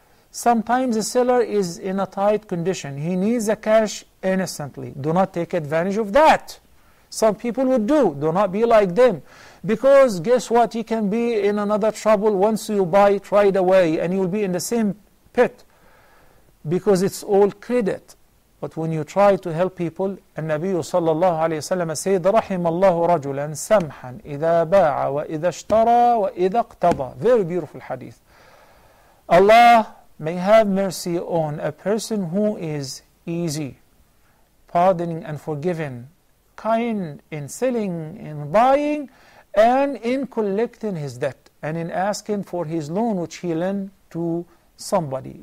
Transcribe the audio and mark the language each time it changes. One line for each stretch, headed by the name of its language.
English: Sometimes the seller is in a tight condition. He needs the cash innocently. Do not take advantage of that. Some people would do. Do not be like them. Because guess what? He can be in another trouble once you buy it right away, and you will be in the same pit. Because it's all credit. But when you try to help people,
Arabic: النبي صلى الله عليه وسلم
English: said,
Arabic: رحم الله رجلا سمحا إذا باع وإذا اشترى وإذا اقتضى.
English: Very beautiful hadith. Allah may have mercy on a person who is easy, pardoning and forgiving, kind in selling, in buying, and in collecting his debt, and in asking for his loan which he lent to somebody.